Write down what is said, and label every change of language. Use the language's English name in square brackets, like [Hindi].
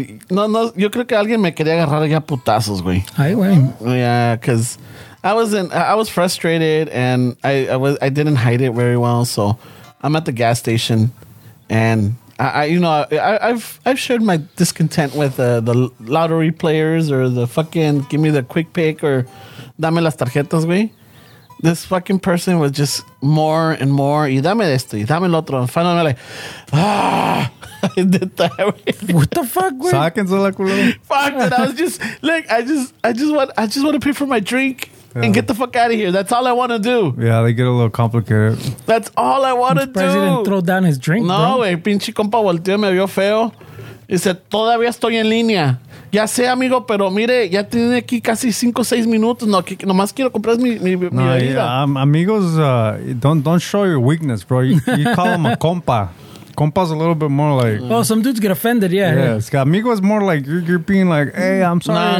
[Spanish] No, yo creo que alguien me quería agarrar ya putazos, wey. Ay, wey. [English] Yeah, because I was frustrated and I didn't hide it very well. So I'm at the gas station and I've shared my discontent with the lottery players or the fucking give me the quick pick or... [Spanish] Dame las tarjetas, güey. [English] This fucking person was just more and more. [Spanish] Y dame esto, y dame el otro. [English] And finally, I'm like, I did that, [Spanish] güey. [English] What the fuck, güey? [Spanish] Sáquense la culo. [English] Fuck, and I was just, like, I just want to pay for my drink and get the fuck out of here. That's all I want to do. Yeah, they get a little complicated. That's all I want to do. He didn't throw down his drink, no, bro. [Spanish] No, güey. Pinche compa volteó, me vio feo. Y dice, todavía estoy en línea. Ya sé, amigo, pero mire, ya tiene aquí casi 5 o 6 minutos. No, aquí, nomás quiero comprar mi bebida. [English] No, yeah, amigos, don't show your weakness, bro. You call him a compa. Compa's a little bit more like... Oh, some dudes get offended, yeah. Yeah, amigo's more like, you're being like, hey, I'm sorry.